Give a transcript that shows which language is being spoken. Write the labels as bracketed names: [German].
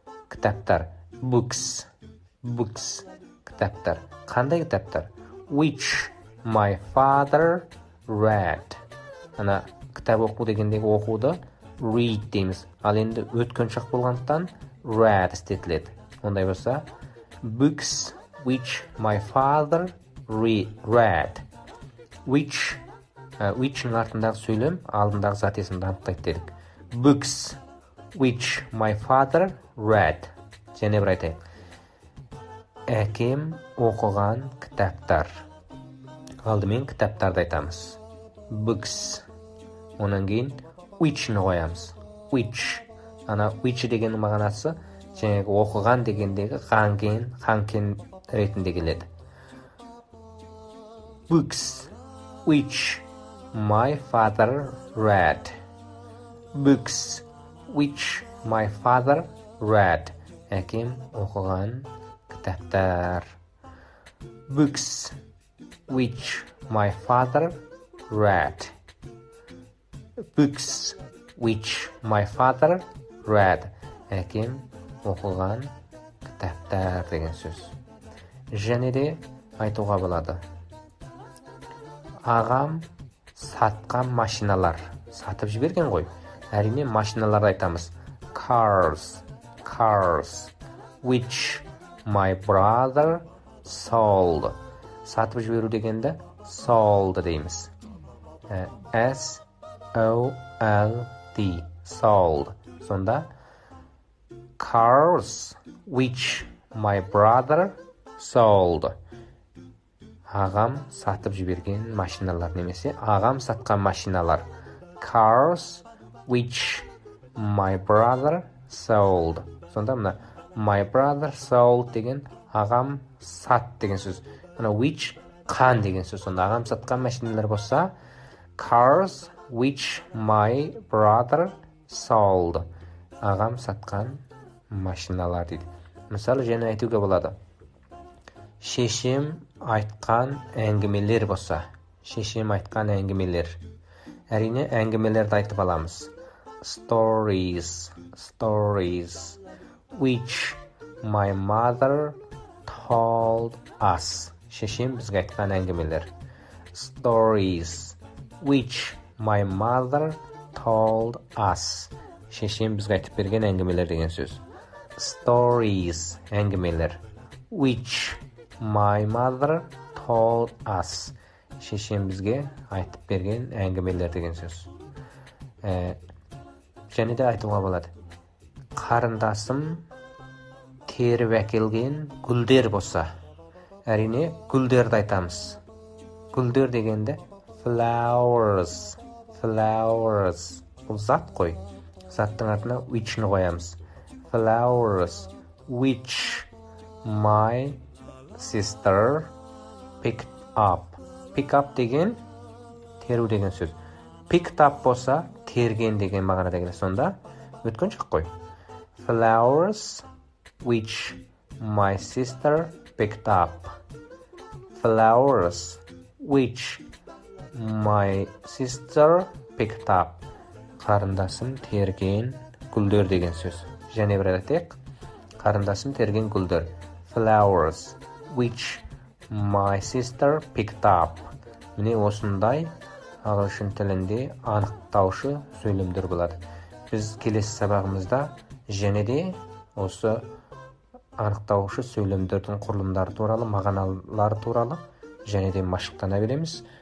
[Kazakh] Кітаптар. [English] Books. Books. [Kazakh] Кітаптар. Қандай кітаптар? [English] Which my father read. [Kazakh] Ана кітап оқу дегендегі оқуды read дейміз. Ал енді өткен шақ болғандықтан read істетіледі. Ондай болса, [English] books which my father read. [Kazakh] Which, which-ның артындағы сөйлем, алдындағы зат есімді анықтайды дедік. [English] Books which my father read. [Kazakh] Және бір айтайық. Әкем оқыған кітаптар. Алдымен кітаптарды айтамыз. [English] Books. [Kazakh] Онан кейін which-ні қоямыз. [English] Which. [Kazakh] Ана which деген мағынасы жаңағы оқыған дегендегі ғанген, ғанкен ретінде келеді. [English] Books which my father read. Books which my father read. [Kazakh] Әкем оқыған кітаптар. [English] Books which my father read. Books which my father read. [Kazakh] Әкем оқыған кітаптар деген сөз. Және де айтуға болады. Ағам сатқан машиналар. Сатып жіберген ғой. Әрине, машиналарды айтамыз. [English] Cars, cars. Which my brother sold. [Kazakh] Сатып жіберу дегенде sold дейміз. [English] S-O-L-D, sold. [Kazakh] Сонда, [English] cars which my brother sold. [Kazakh] Ағам сатып жіберген машиналар, немесе ағам сатқан машиналар. [English] Cars which my brother sold. [Kazakh] Сонда мына [English] my brother sold [Kazakh] деген ағам сат деген сөз. Мына which қан деген сөз. Сонда ағам сатқан машиналар болса, [English] cars which my brother sold. [Kazakh] Ағам сатқан машиналар дейді. Мысалы жаңа айтуға болады. Шешем айтқан әңгімелер болса, шешем айтқан әңгімелер. Әрине әңгімелерді айтып аламыз. [English] Stories, stories which my mother told us. [Kazakh] Шешем бізге айтқан әңгімелер. [English] Stories which my mother told us. [Kazakh] Шешем бізге айтып берген әңгімелер деген сөз. Stories, әңгімелер. [English] Which my mother told us. [Kazakh] Шешем бізге айтып берген әңгімелер деген сөз. Және де айтуға болады. Қарындасым теріп әкелген гүлдер болса. Әрине гүлдерді айтамыз. Гүлдер дегенде flowers. Flowers. Бұл зат қой. Заттың артына which-ні қоямыз. [English] Flowers which my sister picked up. [Kazakh] Pick up деген теру деген сөз. Picked up болса терген деген мағынада келеді. Сонда өткен шық қой. [English] Flowers which my sister picked up. Flowers which my sister picked up. [Kazakh] Қарындасым терген гүлдер деген сөз. Және бір айтайық. Қарындасым терген гүлдер. [English] Flowers which my sister picked up. [Kazakh] Міне осындай ағылшын тілінде анықтаушы сөйлемдер болады. Біз келесі сабағымызда және де осы анықтаушы сөйлемдердің құрылымдары туралы, мағыналары туралы және де машықтана береміз.